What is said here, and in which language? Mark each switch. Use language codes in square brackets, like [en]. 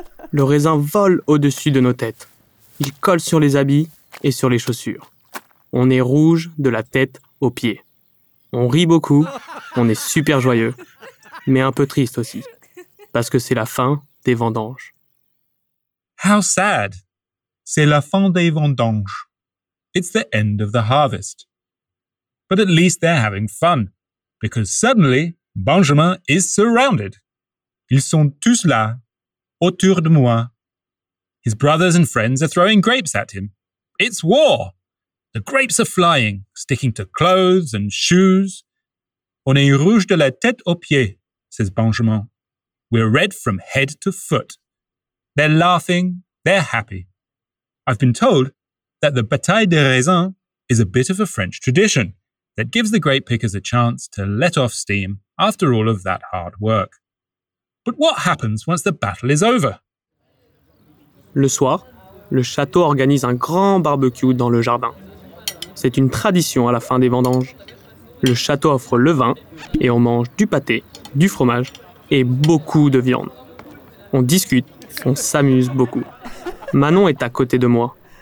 [fr] Le raisin vole au-dessus de nos têtes. Il colle sur les habits et sur les chaussures. On est rouge de la tête aux pieds. On rit beaucoup, on est super joyeux, mais un peu triste aussi, parce que c'est la fin des vendanges. [en] How sad! [fr] C'est la fin des vendanges. [en] It's the end of the harvest. But at least they're having fun, because suddenly, Benjamin is surrounded. [fr] Ils sont tous là, autour de moi. [en] His brothers and friends are throwing grapes at him. It's war! The grapes are flying, sticking to clothes and shoes. [fr] On est rouge de la tête aux pieds, [en] says Benjamin. We're red from head to foot. They're laughing, they're happy. I've been told that the [fr] bataille de raisin [en] is a bit of a French tradition that gives the grape pickers a chance to let off steam after all of that hard work. But what happens once the battle is over? [fr] Le soir, le château organise un grand barbecue dans le jardin. C'est une tradition à la fin des vendanges. Le château offre le vin et on mange du pâté, du fromage et beaucoup de viande. On discute, on s'amuse beaucoup. Manon est à côté de moi.